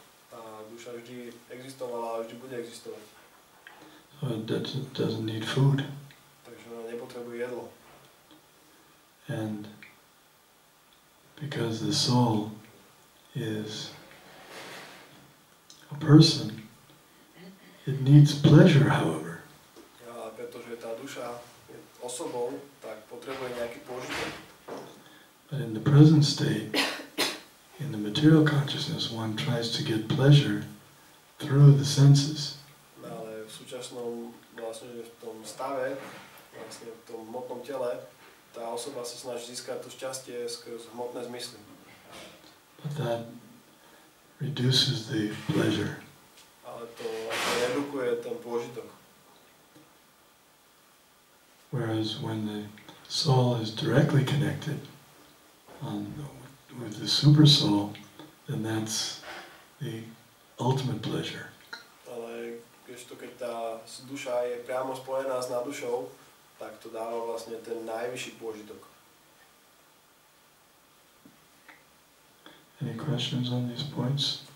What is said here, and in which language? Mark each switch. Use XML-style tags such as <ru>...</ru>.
<sk>Tá duša vždy existovala a vždy bude existovať.</sk> <en>So it doesn't need food.</en> <sk>Takže ona nepotrebuje jedlo.</sk> <en>And because the soul is a person, it needs pleasure, however.</en> <sk>Ja, pretože tá duša je osobou, tak potrebuje nejaký požitok.</sk> <en>But in the present state, in the material consciousness, one tries to get pleasure through the senses.</en> <sk>No, ale v súčasnom, vlastne v tom stave, vlastne v tom hmotnom tele, tá osoba sa snaží získať to šťastie skrz hmotné zmysly.</sk> <en>But that reduces the pleasure.</en> <sk>Ale to redukuje ten pôžitok.</sk> <en>Whereas when the soul is directly connected on the, with the super soul, then that's the ultimate pleasure.</en> <sk>Ale keď tá duša je priamo spojená s nadušou, tak to dáva vlastne ten najvyšší pôžitok.</sk> <en>Any questions on these points?</en>